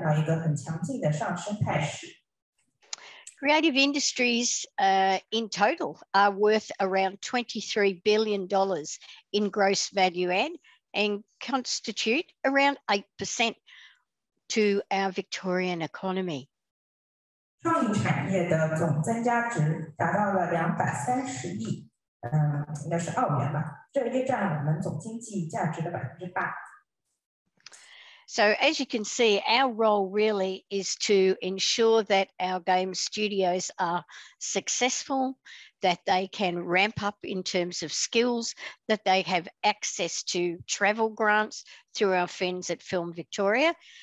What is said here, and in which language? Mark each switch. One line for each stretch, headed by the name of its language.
Chinese: 那数字产业呢，也是创意产业当中，包括游戏呢，这是一个重要的支柱。在过去几年，我们已经看到一个很强劲的上升态势。
English: Creative industries in total are worth around $23 billion in gross value add and constitute around 8% to our Victorian economy.
Chinese: 创意产业的总增加值达到了230亿，应该是澳元吧，这约占我们总经济价值的8%。
English: So as you can see, our role really is to ensure that our game studios are successful, that they can ramp up in terms of skills, that they have access to travel grants through our friends at Film Victoria.